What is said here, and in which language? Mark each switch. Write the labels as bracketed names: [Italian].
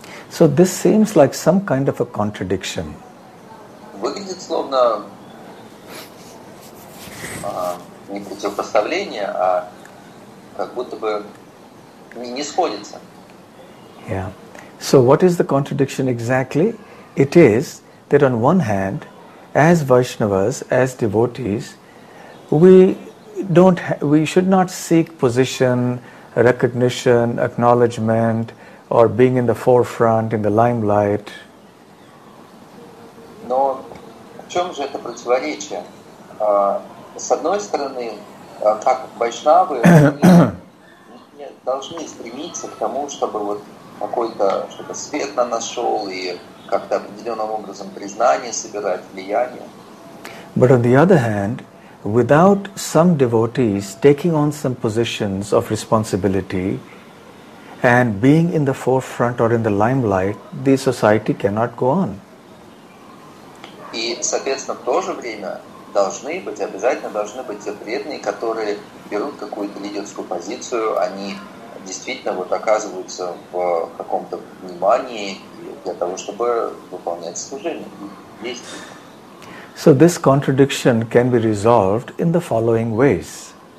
[English] So this seems like some kind of a contradiction. [Russian] Выглядит словно не противопоставление, а как будто бы не сходится. [English] Yeah. So what is the contradiction exactly? It is that on one hand, as Vaishnavas, as devotees, we should not seek position, recognition, acknowledgement, or being in the forefront, in the limelight. [Russian] Но чем же это противоречие? С одной стороны, как вайшнавы, мы должны стремиться к тому, чтобы вот какой-то что-то свет на нас шел и как-то определенным образом признание собирать, влияние. [English] But on the other hand, without some devotees taking on some positions of responsibility and being in the forefront or in the limelight, the society cannot go on. [Russian] И, соответственно, в то же время должны быть, обязательно должны быть те преданные, которые берут какую-то лидерскую позицию, они действительно вот оказываются в каком-то внимании для того, чтобы выполнять служение, действия. [English] So this contradiction can be resolved in the following ways.